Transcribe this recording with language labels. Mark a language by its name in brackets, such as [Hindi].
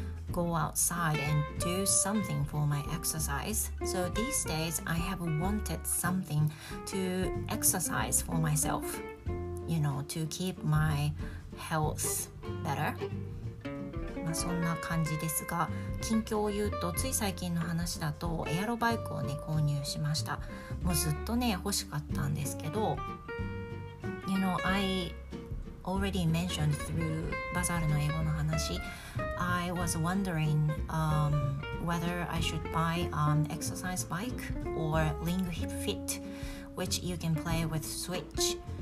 [English] go outside and do something for my exercise. So these days, I have wanted something to exercise for myself, you know, to keep my health better。 [Japanese] まあそんな感じですが、近況を言うとつい最近の話だとエアロバイクをね購入しました。もうずっとね欲しかったんですけど、 [English] You know I already mentioned through Bazaar の英語の話、I was wondering、whether I should buy an exercise bike or Ring Fit, which you can play with Switch.